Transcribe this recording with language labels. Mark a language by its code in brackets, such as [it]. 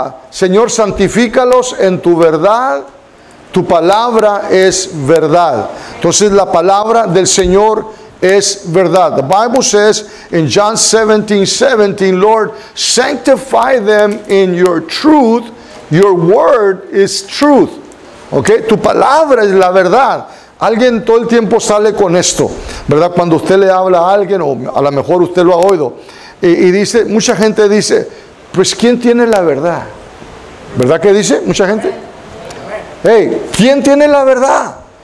[es] Señor, santifícalos en tu verdad, tu palabra es verdad. Entonces la palabra del Señor es verdad. [en] The Bible says in John 17:17, Lord, sanctify them in your truth, your word is truth. [es] Ok, tu palabra es la verdad. Alguien todo el tiempo sale con esto, ¿verdad? Cuando usted le habla a alguien, o a lo mejor usted lo ha oído, y dice, mucha gente dice, pues, ¿quién tiene la verdad? ¿Verdad que dice mucha gente? Hey, ¿quién tiene la verdad?